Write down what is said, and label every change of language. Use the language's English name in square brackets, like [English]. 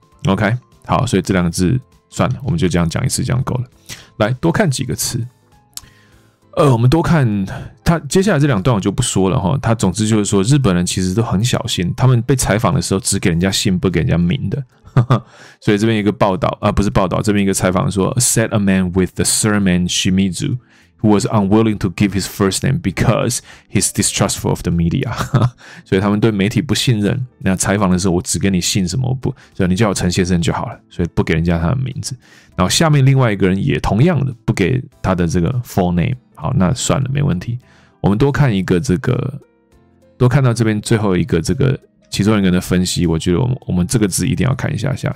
[Chinese] OK， 好，所以这两个字算了，我们就这样讲一次，这样够了。来，多看几个词。我们多看他接下来这两段我就不说了哈。他总之就是说，日本人其实都很小心，他们被采访的时候只给人家姓，不给人家名的。所以这边一个报道不是报道，这边一个采访说 [English] ，said a man with the surname Shimizu who was unwilling to give his first name because he's distrustful of the media 。 [Chinese] 所以他们对媒体不信任。那采访的时候，我只给你姓什么不，所以你叫我陈先生就好了。所以不给人家他的名字。然后下面另外一个人也同样的不给他的这个 full name。好，那算了，没问题。我们多看一个这个，多看到这边最后一个这个其中一个人的分析，我觉得我们这个字一定要看一下下。